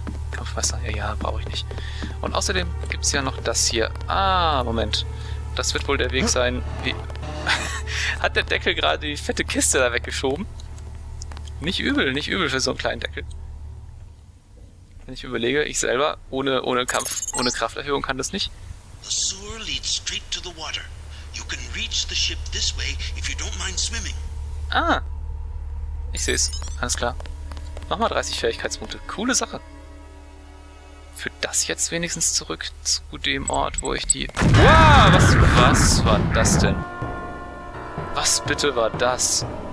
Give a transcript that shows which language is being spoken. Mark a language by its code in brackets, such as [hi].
[de] Kampfmesser, ja, brauche ich nicht. Und außerdem gibt es ja noch das hier. Ah, Moment. Das wird wohl der Weg sein. Wie? Hat der Deckel gerade die fette Kiste da weggeschoben? Nicht übel, nicht übel für so einen kleinen Deckel. Wenn ich überlege, ich selber, ohne Kampf, ohne Krafterhöhung kann das nicht. [en] The sewer leads straight to the water. You can reach the ship this way, if you don't mind swimming. [de] Ah, ich sehe es. Alles klar. Nochmal 30 Fähigkeitspunkte. Coole Sache. Führt das jetzt wenigstens zurück zu dem Ort, wo ich die... Ah, was war das denn? Was bitte war das?